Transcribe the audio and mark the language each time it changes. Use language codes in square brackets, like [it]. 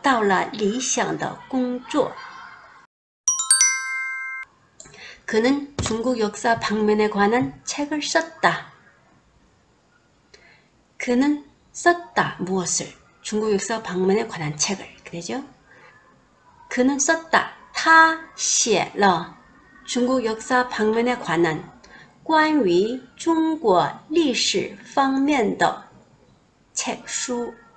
[zh] 他终于找到了理想的工作. [ko] 그는 중국 역사 방면에 관한 책을 썼다. 그는 썼다. 무엇을? 중국 역사 방면에 관한 책을. 그죠? 그는 썼다. [zh] 他写了 [ko] 중국 역사 방면에 관한 [zh] 关于中国历史方面的 [ko] 책 [zh] 书.